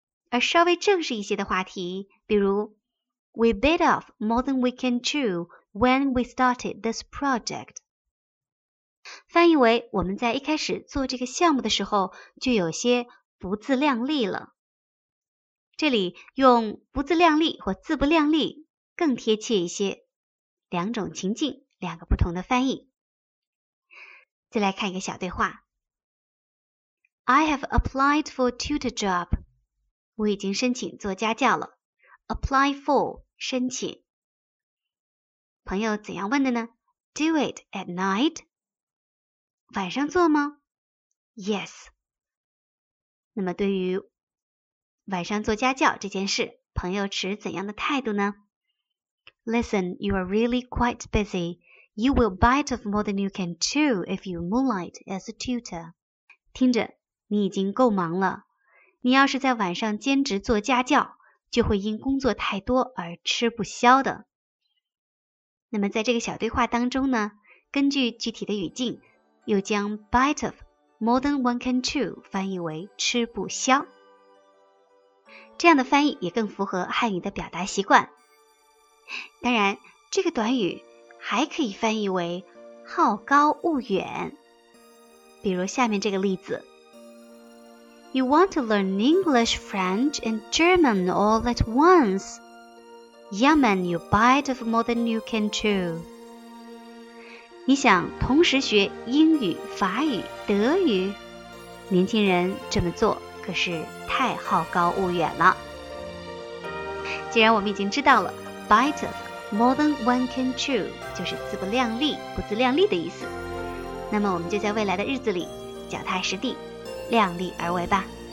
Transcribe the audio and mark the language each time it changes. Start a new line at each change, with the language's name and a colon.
Chinese: 而稍微正式一些的话题，比如
English: We bit off more than we can chew when we started this project，
Chinese: 翻译为我们在一开始做这个项目的时候就有些不自量力了。这里用不自量力或自不量力更贴切一些，两种情境，两个不同的翻译。再来看一个小对话。
English: I have applied for a tutor job，
Chinese: 我已经申请做家教了。
English: apply for， 申请。
Chinese: 朋友怎样问的呢？
English: Do it at night，
Chinese: 晚上做吗？
English: Yes。
Chinese: 那么对于晚上做家教这件事，朋友持怎样的态度呢？
English: Listen, you are really quite busy. You will bite off more than you can chew if you moonlight as a tutor.
Chinese: 听着，你已经够忙了。你要是在晚上兼职做家教，就会因工作太多而吃不消的。那么在这个小对话当中呢，根据具体的语境，又将
English: bite off more than one can chew
Chinese: 翻译为吃不消。这样的翻译也更符合汉语的表达习惯。当然，这个短语还可以翻译为好高骛远。比如下面这个例子 ：
English: You want to learn English, French, and German all at once? Yaman, you bite of more than you can chew.
Chinese: 你想同时学英语、法语、德语？年轻人这么做可是太好高骛远了。既然我们已经知道了
English: bite of more than one can chew
Chinese: 就是自不量力、不自量力的意思，那么我们就在未来的日子里脚踏实地，量力而为吧。